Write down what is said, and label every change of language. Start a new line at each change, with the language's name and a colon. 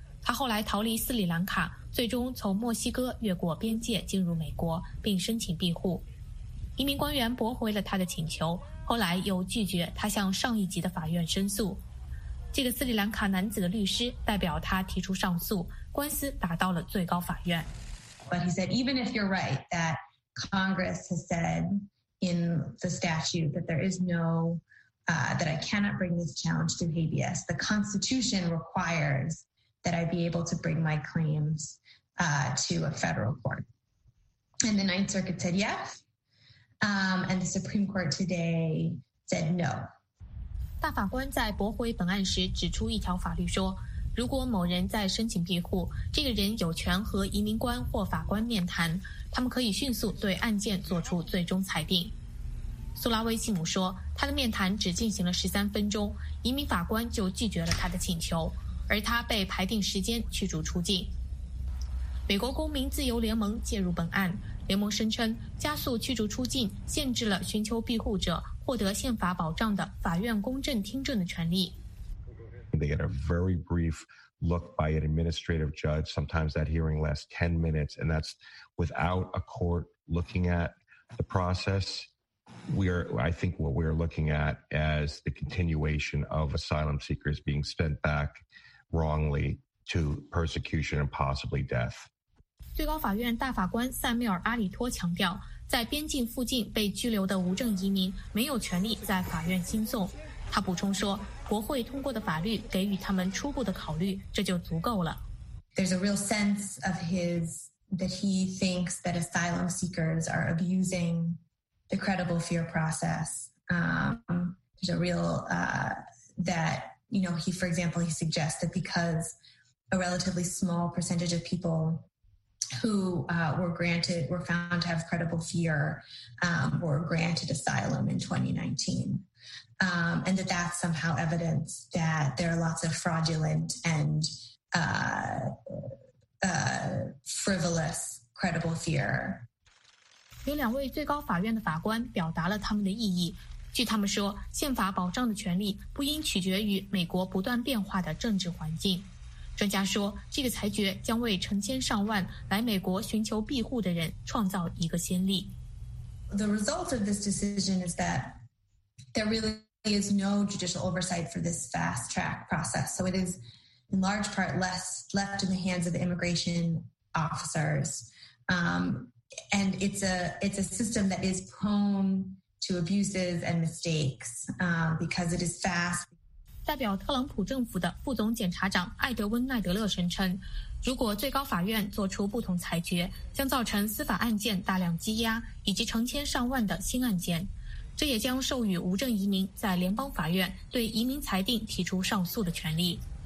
Chinese: 他后来逃离斯里兰卡，最终从墨西哥越过边界进入美国，并申请庇护。移民官员驳回了他的请求，后来又拒绝他向上一级的法院申诉。这个斯里兰卡男子的律师代表他提出上诉，官司打到了最高法院。
English: But he said, even if you're right that Congress has said,in the statute that there is no, that I cannot bring this challenge through habeas. The Constitution requires that I be able to bring my claims, to a federal court. And the Ninth Circuit said yes, and the Supreme Court today said no.
Chinese: 大法官在驳回本案时指出一条法律说，如果某人在申请庇护，这个人有权和移民官或法官面谈，他们可以迅速对案件做出最终裁定。苏拉威西姆说，他的面谈只进行了13分钟，移民法官就拒绝了他的请求，而他被排定时间驱逐出境。美国公民自由联盟介入本案，联盟声称加速驱逐出境限制了寻求庇护者获得宪法保障的法院公正听证的权利。
English: They get a very brief look by an administrative judge. Sometimes that hearing lasts 10 minutes, and that's without a court looking at the process. What we're looking at as the continuation of asylum seekers being sent back wrongly to persecution and possibly death.
Chinese: 最高法院大法官塞缪尔·阿里托强调，在边境附近被拘留的无证移民没有权利在法院新送。他补充说，国会通过的法律给予他们初步的考虑，这就足够了。
English: There's a real sense of his that he thinks that asylum seekers are abusing the credible fear process. There's a real that, you know, he, for example, he suggests that because a relatively small percentage of people who were found to have credible fear were granted asylum in 2019. And that that's somehow evidence that there are lots of fraudulent and frivolous credible fear.
Chinese: 有两位最高法院的法官表达了他们的异议。据他们说，宪法保障的权利不应取决于美国不断变化的政治环境。专家说，这个裁决将为成千上万来美国寻求庇护的人创造一个先例。
English: The result of this decision is that they're really. There is no judicial oversight for this fast track process. So it is in large part left in the hands of the immigration officers. And it's a system that is prone to abuses and mistakes, because it is fast.
Chinese: 代表特朗普政府的副总检察长艾德温·奈德勒声称，如果最高法院做出不同裁决，将造成司法案件大量积压，以及成千上万的新案件。这也将授予无证移民在联邦法院对移民裁定提出上诉的权利。